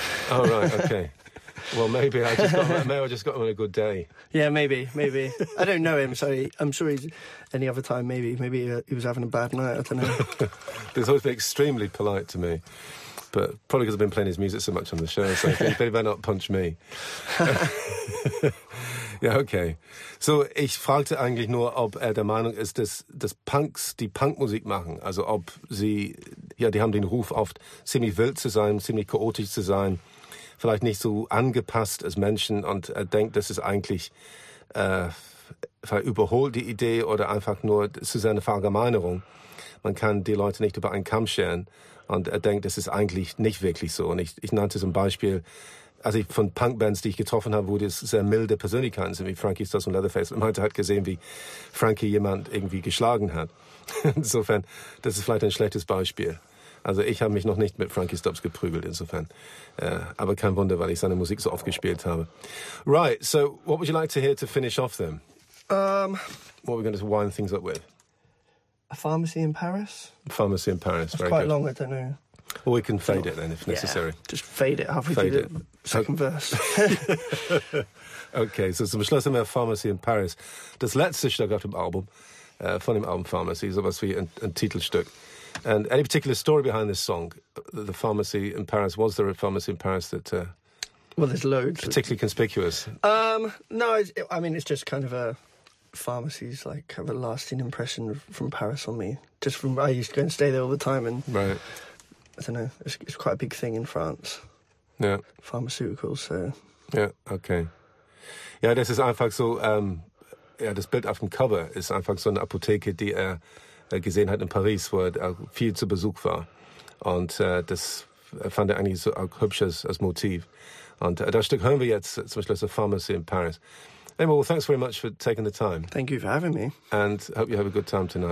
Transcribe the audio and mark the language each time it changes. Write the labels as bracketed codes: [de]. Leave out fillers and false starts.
[en] Oh, right, okay. Well, maybe I just got him on a good day. Yeah, maybe. I don't know him, so I'm sure he's any other time, maybe. Maybe he was having a bad night, I don't know. He's always been extremely polite to me, but probably because I've been playing his music so much on the show, so he better not punch me. [de] Ja, okay. So, ich fragte eigentlich nur, ob er der Meinung ist, dass Punks die Punkmusik machen. Also, ob sie, ja, die haben den Ruf oft, ziemlich wild zu sein, ziemlich chaotisch zu sein, vielleicht nicht so angepasst als Menschen. Und er denkt, das ist eigentlich überholt, die Idee, oder einfach nur zu seiner Verallgemeinerung. Man kann die Leute nicht über einen Kamm scheren. Und er denkt, das ist eigentlich nicht wirklich so. Und ich nannte zum Beispiel... Also ich von Punkbands, die ich getroffen habe, wo die sehr milde Persönlichkeiten sind, wie Frankie Stubbs und Leatherface. Und man hat gesehen, wie Frankie jemand irgendwie geschlagen hat. Insofern, das ist vielleicht ein schlechtes Beispiel. Also ich habe mich noch nicht mit Frankie Stubbs geprügelt, insofern. Aber kein Wunder, weil ich seine Musik so oft gespielt habe. [en] Right, so what would you like to hear to finish off then? What are we going to wind things up with? A Pharmacy in Paris? Pharmacy in Paris, that's very quite good. Long, I don't know. Or we can fade it, then, if necessary. Yeah, just fade it halfway through it. The second verse. [de] OK, so zum Schluss haben wir Pharmacy in Paris. Das letzte Stück auf dem Album, von dem Album Pharmacy, ist sowas wie ein Titelstück. [en] And any particular story behind this song, the pharmacy in Paris, was there a pharmacy in Paris that... Well, there's loads. Particularly conspicuous. No, it's just kind of a pharmacy's, like, kind of a lasting impression from Paris on me. Just from... I used to go and stay there all the time and... Right. I don't know. It's quite a big thing in France. Yeah. Pharmaceuticals, so... Yeah, okay. Yeah, this is [de] einfach so... Yeah, das Bild auf dem Cover ist einfach so eine Apotheke, die er gesehen hat in Paris, wo er viel zu Besuch war. Und das fand er eigentlich so auch hübsch als Motiv. Und das Stück hören wir jetzt, zum Beispiel aus der Pharmacy in Paris. [en] Anyway, well, thanks very much for taking the time. Thank you for having me. And hope you have a good time tonight.